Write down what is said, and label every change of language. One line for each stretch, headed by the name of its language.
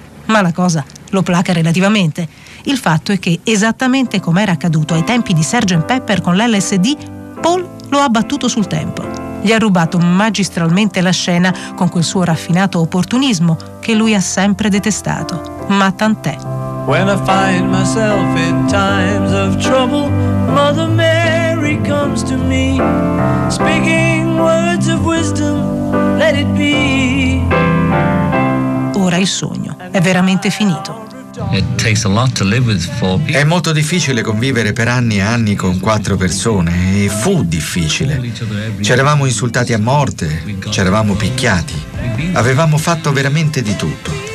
Italian: Ma la cosa lo placa relativamente. Il fatto è che, esattamente come era accaduto ai tempi di Sgt. Pepper con l'LSD, Paul lo ha battuto sul tempo. Gli ha rubato magistralmente la scena con quel suo raffinato opportunismo che lui ha sempre detestato. Ma tant'è.
English: When I find myself in times of trouble, Mother Mary comes to me, speaking words of wisdom, let it be.
Italian: Ora il sogno è veramente finito. È molto difficile convivere per anni e anni con 4 persone, e fu difficile. Ci eravamo insultati a morte, ci eravamo picchiati, avevamo fatto veramente di tutto.